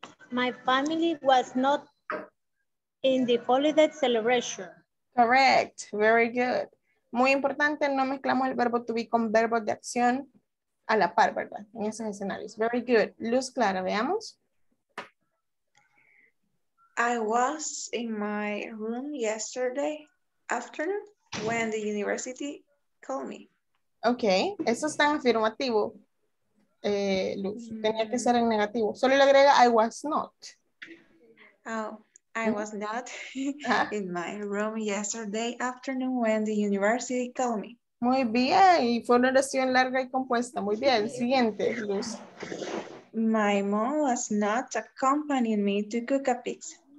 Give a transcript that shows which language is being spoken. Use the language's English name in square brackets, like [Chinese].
[English] My family was not in the holiday celebration. Correct, very good. [Spanish] Muy importante, no mezclamos el verbo to be con verbo de acción a la par, ¿verdad? En esos escenarios. [English] Very good. [Spanish] Luz clara, veamos. [English] I was in my room yesterday afternoon when the university called me. [Spanish] Okay, eso está en afirmativo, Luz. Mm-hmm. Tenía que ser en negativo. Solo le agrega [English] I was not. Oh, I was not in my room yesterday afternoon when the university called me. [Spanish] Muy bien, y fue una oración larga y compuesta. Muy bien, siguiente, Luz. [English] My mom was not accompanying me to cook a pizza.